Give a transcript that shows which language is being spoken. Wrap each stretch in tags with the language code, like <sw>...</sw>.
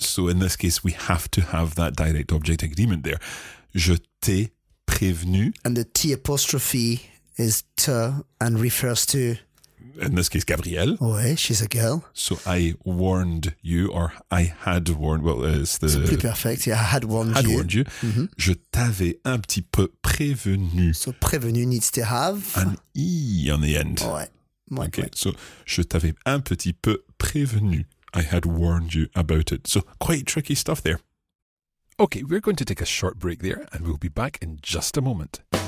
<en>So in this case, we have to have that direct object agreement there.</en> <fr>Je t'ai prévenu.</fr> <en>And the T apostrophe is te and refers to... In this case, Gabrielle. Oui, she's a girl. So I warned you, or I had warned, well, it's the... C'est plus perfect, yeah, I had warned had you. Had warned you. Mm-hmm.</en> <fr>Je t'avais un petit peu prévenu.</fr> <en>So prévenu needs to have... An I on the end.</en> <fr>Ouais. Ouais,</fr> <en>okay,</en> <fr>ouais. So je t'avais un petit peu prévenu.</fr> <en>I had warned you about it. So quite tricky stuff there. Okay, we're going to take a short break there, and we'll be back in just a moment.</en>